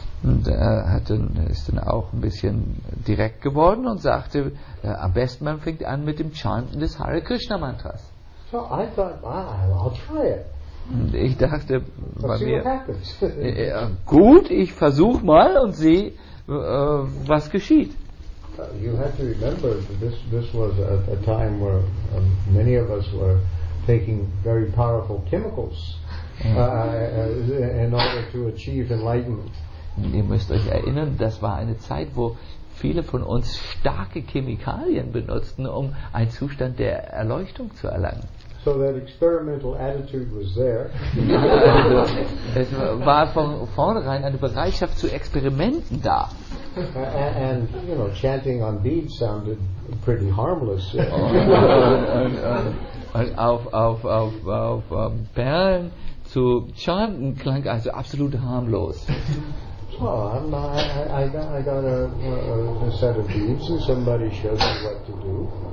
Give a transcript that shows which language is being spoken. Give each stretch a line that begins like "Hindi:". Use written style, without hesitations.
German: Und ist dann auch ein bisschen direkt geworden und sagte, am besten man fängt an mit dem Chanten des Hare Krishna Mantras.
English: So I thought, I'll try it.
German: Und ich dachte bei mir, gut, ich versuche mal und sehe, was geschieht.
English: You have to remember this was a time where many of us were taking very powerful chemicals in order to achieve enlightenment.
German: Ihr müsst euch erinnern, das war eine Zeit, wo viele von uns starke Chemikalien benutzten, um einen Zustand der Erleuchtung zu erlangen.
English: So that experimental attitude was there.
German: Es war von vornherein eine Bereitschaft zu Experimenten da.
English: And you know, chanting on beads sounded pretty harmless.
German: auf Perlen zu chanten klang also absolut harmlos.
English: I got a set of beads and somebody showed me what to do.